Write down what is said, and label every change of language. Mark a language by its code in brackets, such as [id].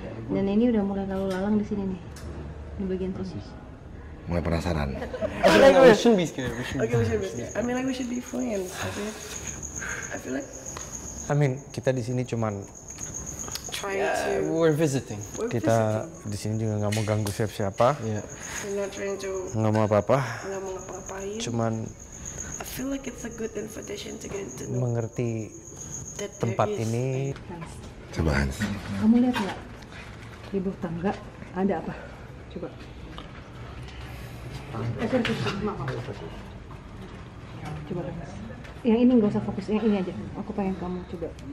[id] Dan ini udah mulai lalu-lalang di sini nih. Di bagian khusus. Mulai penasaran. [en] We should be scared. I mean, like we should be friends. I feel like. [id] Kita di sini cuman. [en] We're visiting. [id] Kita di sini juga nggak mau ganggu siapa-siapa. [en] Yeah. We're not trying to. [id] Nggak mau apa-apa. Nggak mau ngapa-ngapain. Cuman. [en] I feel like it's a good invitation to get to know. [id] Mengerti tempat ini. Coba Hans. Kamu lihat nggak di bawah tangga ada apa? Coba. Coba Hans. Yang ini nggak usah fokus. Yang ini aja. Aku pengen kamu coba.